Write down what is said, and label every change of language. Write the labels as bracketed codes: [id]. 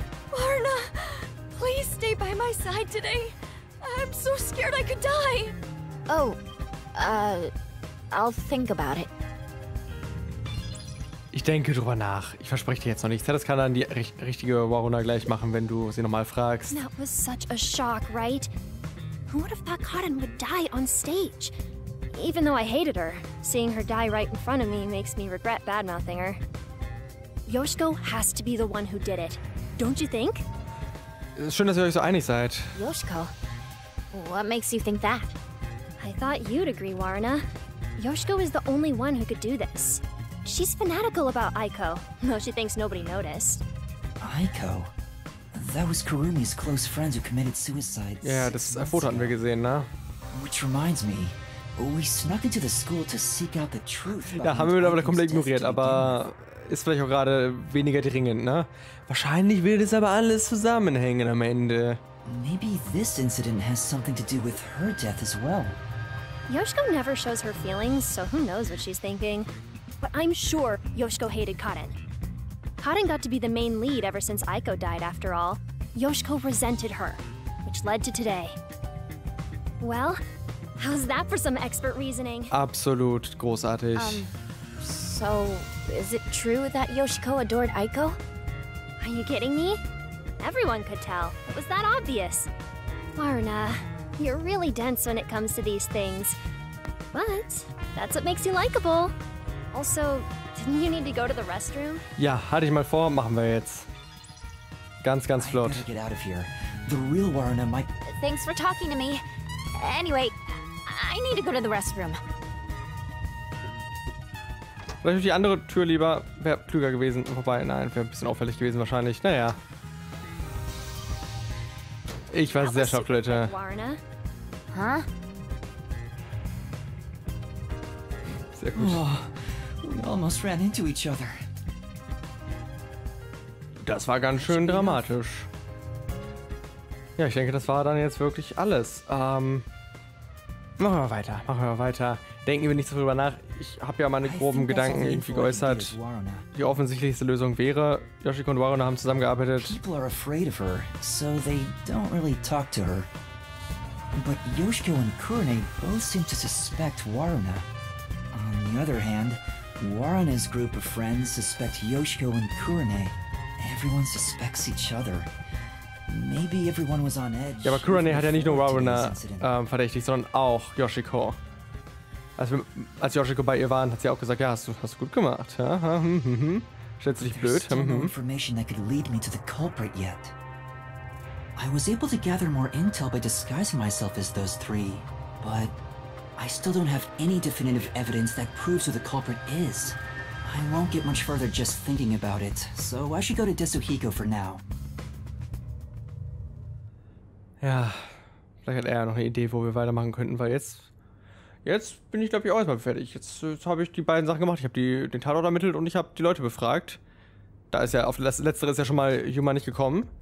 [en] Waruna, please stay by my side today. I'm so scared I could die. Oh, I'll think about it. [de] Ich denke drüber nach. Ich verspreche dir jetzt noch nichts. Das kann dann die richtige Waruna gleich machen, wenn du sie nochmal fragst. [en] That was such a shock, right? Who would have thought Cotton would die on stage? Even though I hated her, seeing her die right in front of me makes me regret badmouthing her. Yoshiko has to be the one who did it. Don't you think? [de] Schön, dass ihr euch so einig seid. [en] Yoshiko? What makes you think that? I thought you'd agree, Waruna. Yoshiko is the only one who could do this. She's fanatical about Aiko, though she thinks nobody noticed. Aiko? That was Kurumi's close friends who committed suicide. [de] Yeah, das Foto hatten wir gesehen, ne? [en] Which reminds me, we snuck into the school to seek out the truth. [de] Ja, haben wir aber komplett ignoriert, aber ist vielleicht auch gerade weniger dringend, ne? Wahrscheinlich wird es aber alles zusammenhängen am Ende. [en] Maybe this incident has something to do with her death as well. Yoshiko never shows her feelings, so who knows what she's thinking. But I'm sure Yoshiko hated Karen. Karen got to be the main lead ever since Aiko died, after all. Yoshiko resented her, which led to today. Well, how's that for some expert reasoning? [de] Absolut großartig. [en] So, is it true that Yoshiko adored Aiko? Are you kidding me? Everyone could tell. It was that obvious. Waruna, you're really dense when it comes to these things. But that's what makes you likable. Also, didn't you need to go to the restroom? [de] Ja, hatte ich mal vor, machen wir jetzt. Ganz, ganz flott. [en] I get out of here. The real Waruna might... Thanks for talking to me. Anyway, I need to go to the restroom. [de] Vielleicht die andere Tür lieber. Wäre klüger gewesen. Wobei, nein, wäre ein bisschen auffällig gewesen wahrscheinlich. Naja. Ich war sehr schockiert, Leute. Huh? Sehr gut. [en] Oh. We almost ran into each other. [de] Das war ganz schön dramatisch. Ja, ich denke, das war dann jetzt wirklich alles. Machen wir weiter. Denken wir nicht so drüber nach. Ich habe ja meine groben Gedanken irgendwie geäußert. Die offensichtlichste Lösung wäre, Yoshiko und Waruna haben zusammengearbeitet. [en] People are afraid of her, so they don't really talk to her. But Yoshiko and Kurane both seem to suspect Waruna. On the other hand, Waruna's group of friends suspect Yoshiko and Kurane. Everyone suspects each other. Maybe everyone was on edge. [de] Ja, aber Kurane hat ja nicht nur Waruna verdächtigt, sondern auch Yoshiko. Als Yoshiko bei ihr waren, hat sie auch gesagt, ja, hast du gut gemacht. Ja? Stellst du dich blöd? [en] Information that could lead me to the culprit yet. I was able to gather more intel by disguising myself as those three, but I still don't have any definitive evidence that proves who the culprit is. I won't get much further just thinking about it, so I should go to Desuhiko for now. [de] Ja, vielleicht hat er ja noch eine Idee, wo wir weitermachen könnten, weil jetzt bin ich, glaube ich, auch erstmal fertig. Jetzt habe ich die beiden Sachen gemacht. Ich habe den Tatort ermittelt und ich habe die Leute befragt. Da ist ja, auf das Letztere ist ja schon mal Yuma nicht gekommen.